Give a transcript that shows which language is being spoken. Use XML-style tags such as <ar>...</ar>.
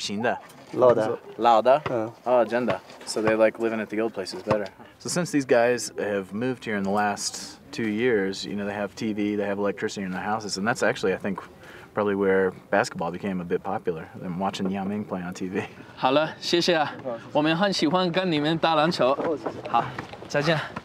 <zh>你们比较喜欢那个老的还是新的？老的。老的？嗯。哦，真的。</zh> <en>So they like living at the old places better. So since these guys have moved here in the last 2 years, you know, they have TV, they have electricity in their houses, and that's actually, I think, probably where basketball became a bit popular, than watching Yao Ming play on TV.</en> <zh>好了，谢谢啊，我们很喜欢跟你们打篮球。好，再见。</zh>